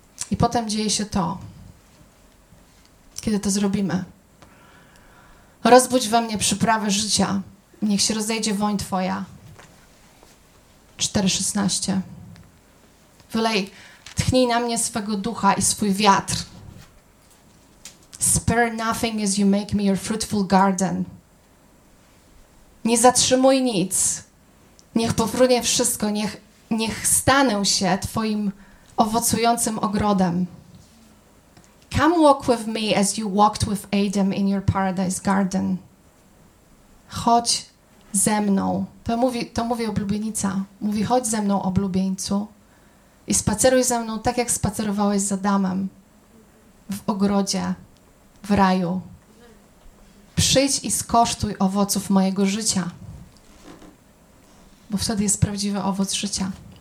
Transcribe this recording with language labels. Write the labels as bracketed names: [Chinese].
[Polish] I potem dzieje się to, kiedy to zrobimy. Rozbudź we mnie przyprawę życia, niech się rozejdzie woń Twoja. 4:16. Wylej, tchnij na mnie swego ducha i swój wiatr. [English] Spare nothing as you make me your fruitful garden. [Polish] Nie zatrzymuj nic. Niech powrunie wszystko, niech stanę się Twoim owocującym ogrodem. [English] Come walk with me as you walked with Adam in your paradise garden. [Polish] Chodź ze mną. To mówi oblubienica. Mówi, chodź ze mną, oblubieńcu. I spaceruj ze mną tak, jak spacerowałeś z Adamem w ogrodzie, w raju. Przyjdź i skosztuj owoców mojego życia. Bo wtedy jest prawdziwy owoc życia.